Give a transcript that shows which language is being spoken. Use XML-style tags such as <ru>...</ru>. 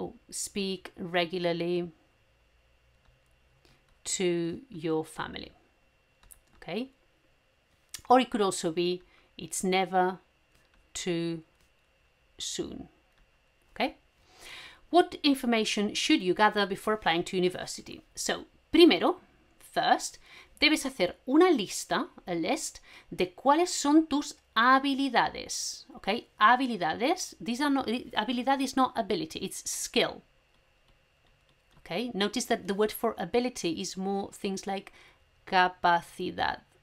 <en>speak regularly to your family. Okay? Or it could also be, it's never too soon. What information should you gather before applying to university?</en> <es>So, primero, first, debes hacer una lista, a list, de cuáles son tus habilidades.</es> <en>Okay? Habilidades, these are not, habilidad is not ability, it's skill. Okay? Notice that the word for ability is more things like capacidad.</en>